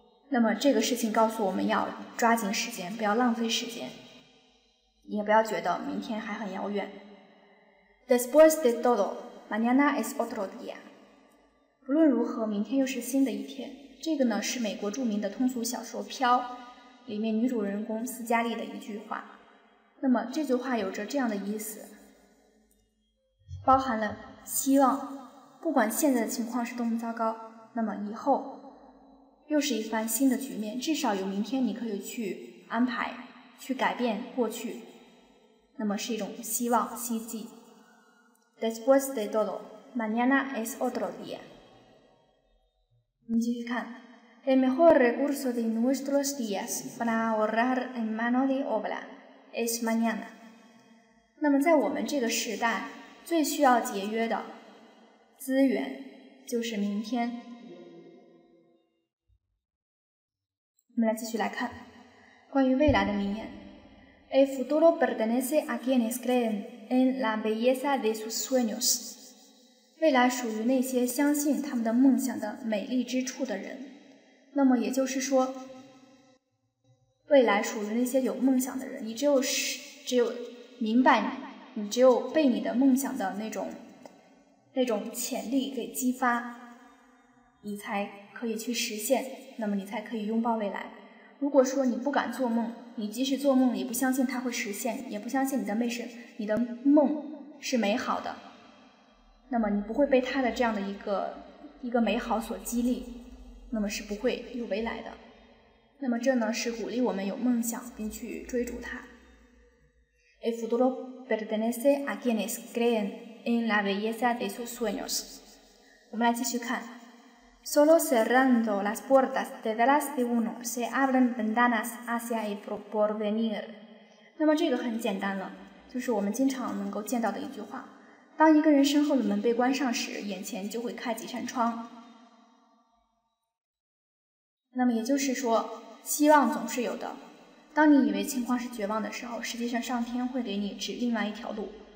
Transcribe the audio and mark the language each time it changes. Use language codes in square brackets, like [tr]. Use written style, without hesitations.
[zh] 那么这个事情告诉我们要抓紧时间，不要浪费时间，也不要觉得明天还很遥远。 [es] Después de todo, mañana es otro día. [zh] 不论如何，明天又是新的一天。这个呢，是美国著名的通俗小说《飘》里面女主人公斯嘉丽的一句话。那么这句话有着这样的意思，包含了希望，不管现在的情况是多么糟糕，那么以后又是一番新的局面，至少有明天你可以去安排，去改变过去，那么是一种希望、希冀。 [es] Después de todo, mañana es otro día. [zh] 我们继续看。 [es] El mejor recurso de nuestros días para ahorrar en mano de obra es mañana. [zh] 那么在我们这个时代，最需要节约的资源就是明天。我们来继续来看关于未来的名言。 [es] El futuro pertenece a quienes creen en la belleza de sus sueños. [zh] 未来属于那些相信他们的梦想的美丽之处的人。那么也就是说，未来属于那些有梦想的人。你只有明白你只有被你的梦想的那种潜力给激发，你才可以去实现，那么你才可以拥抱未来。如果说你不敢做梦，你即使做梦也不相信它会实现，也不相信你的梦是美好的，那么你不会被它的这样的一个美好所激励，那么是不会有未来的。那么这呢是鼓励我们有梦想并去追逐它。 [es] El futuro pertenece a quienes creen en la belleza de sus sueños. [zh] 我们来继续看。 [es] Solo cerrando las puertas detrás de uno se abren ventanas hacia el porvenir. [zh] 那么这个很简单了，就是我们经常能够见到的一句话。当一个人身后的门被关上时，眼前就会开几扇窗。那么也就是说，希望总是有的。当你以为情况是绝望的时候，实际上上天会给你指另外一条路。